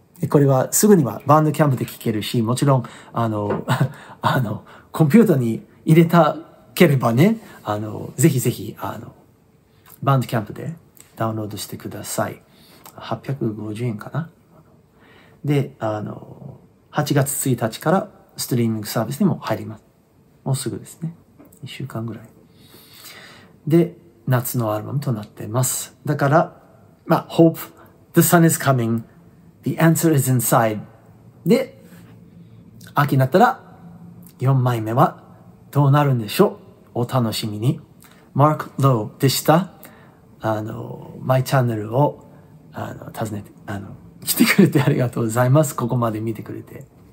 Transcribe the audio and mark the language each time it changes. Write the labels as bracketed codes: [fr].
[ja] これはすぐにはバンドキャンプで聞けるし、もちろん、コンピューターに入れたければね、ぜひぜひ、バンドキャンプでダウンロードしてください。 850円かな。で、8月1日からストリーミングサービスにも入ります。もうすぐですね。1週間ぐらい。で、夏のアルバムとなってます。だから、まあ、 [en] Hope, the sun is coming, the answer is inside. [ja] で、秋になったら、4枚目はどうなるんでしょう？お楽しみに。Mark Lowe でした。My Channel を、訪ねて、来てくれてありがとうございます。ここまで見てくれて。